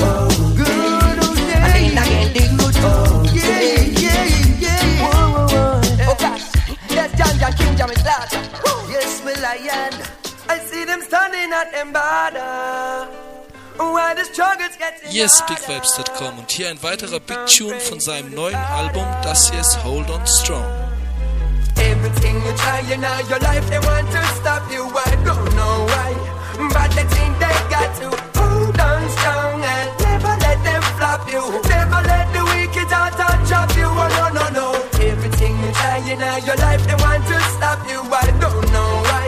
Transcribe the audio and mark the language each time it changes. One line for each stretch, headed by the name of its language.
English: old days. Good old days. And then again the good old days. Yeah, yeah, yeah. Whoa, whoa, whoa. Oh gosh, yes, John, John, King, John, it's loud. I see them standing at Embada, where the struggle's getting harder. Yes, bigvibes.com.
German: Und hier ein weiterer Big Tune von seinem neuen Album, das hier ist Hold On Strong.
English: Everything you're trying out your life, they want to stop you. I don't know why, but they think they got to hold on strong and never let them flop you. Never let the wicked out and drop you. Oh, no, no, no. Everything you're trying out your life, they want to stop you. I don't know.